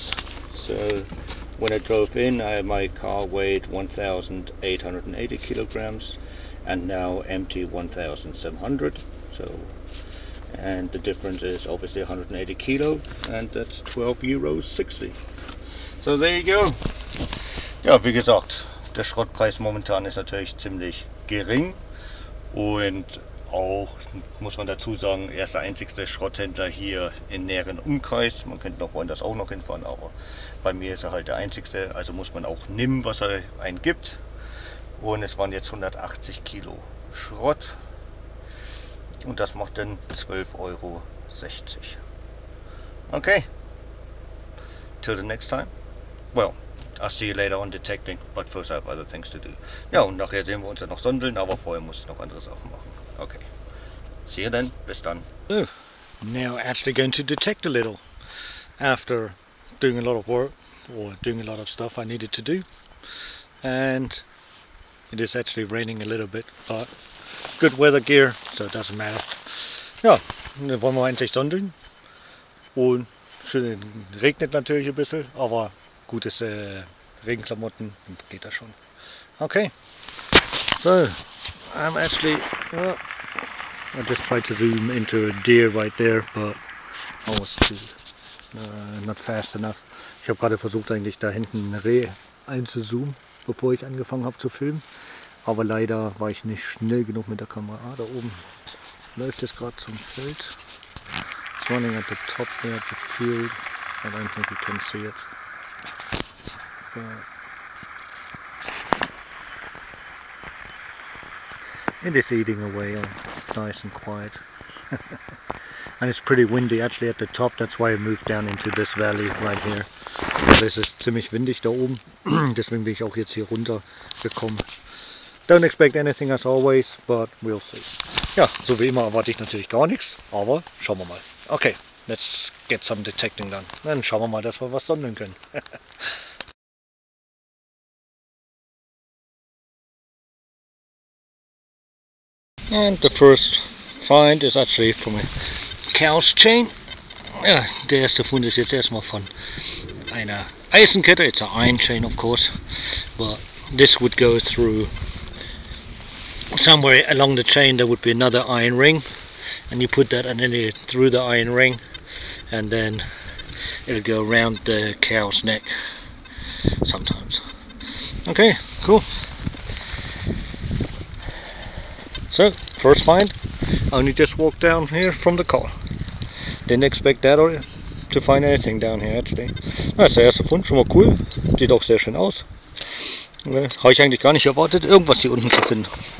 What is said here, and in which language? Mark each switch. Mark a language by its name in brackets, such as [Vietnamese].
[English] So when I drove in, my car weighed 1,880 kilograms. And now empty 1,700, so, and the difference is obviously 180 kilo, and that's 12,60 euros. So there you go. [German] Ja, wie gesagt, der Schrottpreis momentan ist natürlich ziemlich gering und auch, muss man dazu sagen, er ist der einzigste Schrotthändler hier im näheren Umkreis. Man könnte noch woanders auch noch hinfahren, aber bei mir ist er halt der einzigste, also muss man auch nehmen, was er einem gibt. Und es waren jetzt 180 Kilo Schrott und das macht dann 12,60 €. [English] Okay, till the next time. Well, I'll see you later on detecting, but first I have other things to do. [German] Ja, und nachher sehen wir uns ja noch sondeln, aber vorher muss ich noch andere Sachen machen. [English] Okay, see you then, [German] bis dann. [English] Now actually going to detect a little after doing a lot of work or doing a lot of stuff I needed to do. And it is actually raining a little bit, but good weather gear, so it doesn't matter. [German] Ja, dann wollen wir endlich sondeln. Und schön, regnet natürlich ein bisschen, aber gutes Regenklamotten, geht das schon. [English] Okay, so, I'm actually, I just tried to zoom into a deer right there, but almost too, not fast enough. [German] Ich habe gerade versucht, eigentlich da hinten ein Reh einzuzoomen, bevor ich angefangen habe zu filmen. Aber leider war ich nicht schnell genug mit der Kamera. Ah, da oben läuft es gerade zum Feld. [English] It's running at the top there of the field. I don't think you can see it. It is eating away, nice and quiet. And it's pretty windy actually at the top, that's why I moved down into this valley right here. [German] Also es ist ziemlich windig da oben, deswegen bin ich auch jetzt hier runter gekommen. [English] Don't expect anything as always, but we'll see. [German] Ja, so wie immer erwarte ich natürlich gar nichts, aber schauen wir mal. [English] Okay, let's get some detecting done. [German] Dann schauen wir mal, dass wir was sondern können. [English] And the first find is actually from a cow's chain. [German] Ja, der erste Fund ist jetzt erstmal von einer Eisenkette. [English] It's an iron chain, of course, but this would go through somewhere along the chain. There would be another iron ring, and you put that and then through the iron ring, and then it'll go around the cow's neck sometimes. Okay, cool. So, first find, only just walked down here from the car. Didn't expect that or to find anything down here actually. [German] Also, erster Fund, schon mal cool, sieht auch sehr schön aus. Habe ich eigentlich gar nicht erwartet, irgendwas hier unten zu finden.